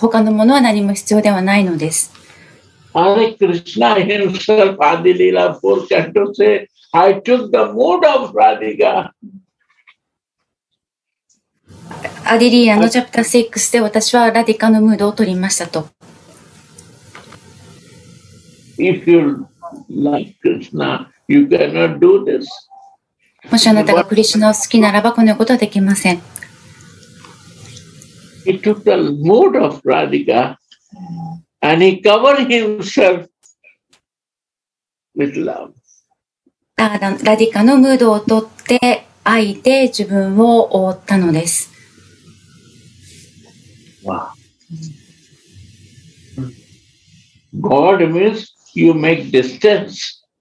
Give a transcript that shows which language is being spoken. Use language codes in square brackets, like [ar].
[ja] 他のものは何も必要ではないのです。 [en] Hare Krishna himself, Adi Leela, four cantos say,I took the mood of Radhika. [ja] アディリーラのチャプター6で私はラディカのムードを取りましたと。 [en] If you like Krishna, you cannot do this. [ja] もしあなたがクリシュナを好きならば、このようなことはできません。 [en] He took the mood of Radhika and he covered himself with love. [ja] ラディカのムードを取って愛で自分を覆ったのです。 [en] God means you make distance.